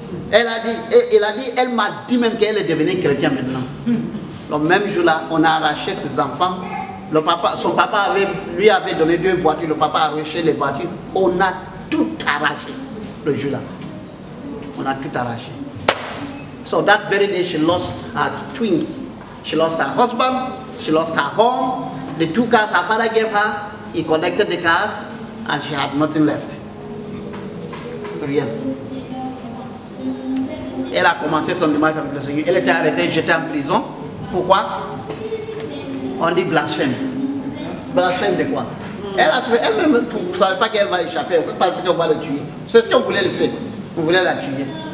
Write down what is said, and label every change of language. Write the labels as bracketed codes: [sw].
[fr] Elle a dit, elle m'a dit même qu'elle est devenue chrétienne maintenant. Le même jour-là, on a arraché ses enfants. Le papa, son papa avait, lui avait donné deux voitures. Le papa a arraché les voitures. On a tout arraché le jour-là. On a tout arraché. [en] So that very day, she lost her twins. She lost her husband. She lost her home. The two cars her father gave her, he collected the cars. And she had nothing left. [fr] Rien. Elle a commencé son démarche avec le Seigneur. Elle était arrêtée, jetée en prison. Pourquoi? On dit blasphème. Blasphème de quoi? Elle a suivi. Elle-même ne savait pas qu'elle va échapper. On peut penser qu'on va la tuer. C'est ce qu'on voulait le faire. On voulait la tuer.